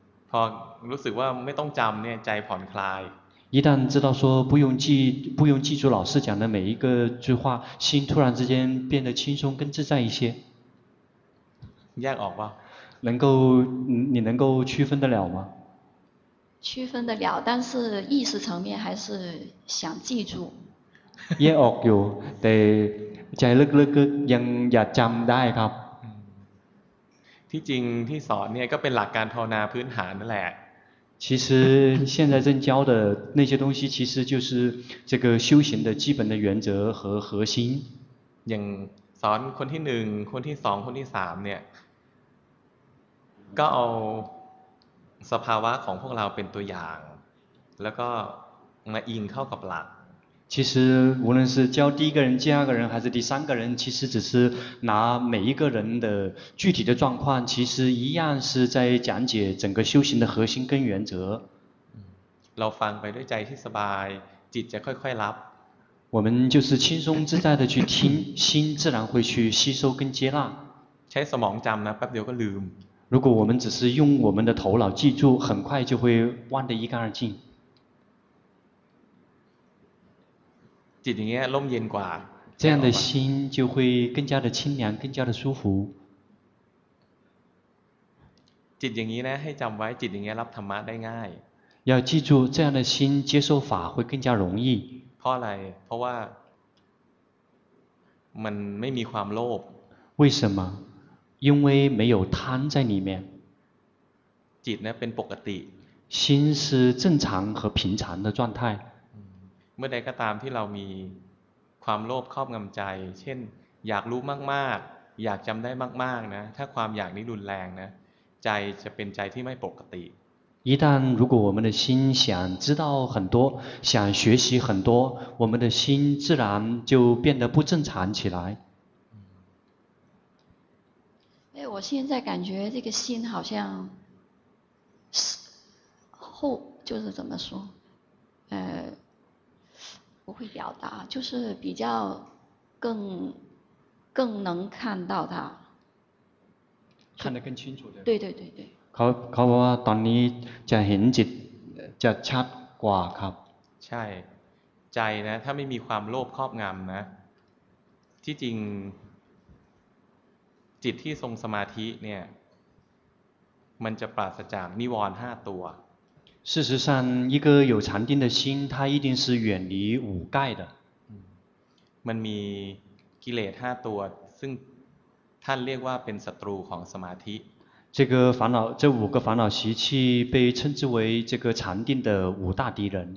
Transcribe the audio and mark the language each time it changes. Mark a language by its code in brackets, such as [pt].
[th] พอรู้สึกว่าไม่ต้องจำเนี่ยใจผ่อนคลาย [zh] 一旦知道说不用记住老师讲的每一个句话，心突然之间变得轻松跟自在一些。 [th] แยกออกป่ะ [zh] 能够你能够区分得了吗？区分得了，但是意识层面还是想记住。 [th] แยกออกอยู่แต่ใจลึกๆยังอยากจำได้ครับ。 ที่จริงที่สอนเนี่ยก็เป็นหลักการภาวนาพื้นฐานนั่นแหละ。 [zh] 其实现在正教的那些东西其实就是这个修行的基本的原则和核心 [th] อย่างสอนคนที่หนึ่งคนที่สองคนที่สามเนี่ยก็เอาสภาวะของพวกเราเป็นตัวอย่างแล้วก็มาอิงเข้ากับหลัก [zh] 其实无论是教第一个人第二个人还是第三个人其实只是拿每一个人的具体的状况其实一样是在讲解整个修行的核心跟原则 [th] เราฟังไปด้วยใจที่สบายจิตจะค่อยๆรับ [zh] 我们就是轻松自在的去听心自然会去吸收跟接纳 [th] ใช้สมองจำนะแป๊บเดียวก็ลืม [zh] 如果我们只是用我们的头脑记住很快就会忘得一干二净 [th] จิตอย่างเงี้ยร่มเย็นกว่า [zh] 这样的心就会更加的清凉更加的舒服 [th] จิตอย่างงี้นะให้จำไว้จิตอย่างเงี้ยรับธรรมะได้ง่าย [zh] 要记住这样的心接受法会更加容易 [th] เพราะอะไรเพราะว่ามันไม่มีความโลภ [zh] 为什么因为没有贪在里面 [th] จิตเนี่ยเป็นปกติ [zh] 心是正常和平常的状态 [th] เมื่อใดก็ตามที่เรามีความโลภครอบงำใจเช่นอยากรู้มากๆอยากจำได้มากๆนะถ้าความอยากนี้รุนแรงนะใจจะเป็นใจที่ไม่ปกติ [zh] 一旦如果我们的心想知道很多想学习很多我们的心自然就变得不正常起来哎我现在感觉这个心好像后就是怎么说不会表达就是比较更能看到它看得更清楚对对对对对 [th] เขาบอกว่าตอนนี้จะเห็นจิตจะชัดกว่าครับ ใช่ใจนะถ้าไม่มีความโลภครอบงำนะที่จริงจิตที่ทรงสมาธิเนี่ยมันจะปราศจากนิวรณ์ห้าตัว [zh] 事实上一个有禅定的心它一定是远离五盖的 [th] มันมีกิเลส5ตัวซึ่งท่านเรียกว่าเป็นศัตรูของสมาธิ [zh] 这个烦恼这五个烦恼习气被称之为这个禅定的五大敌人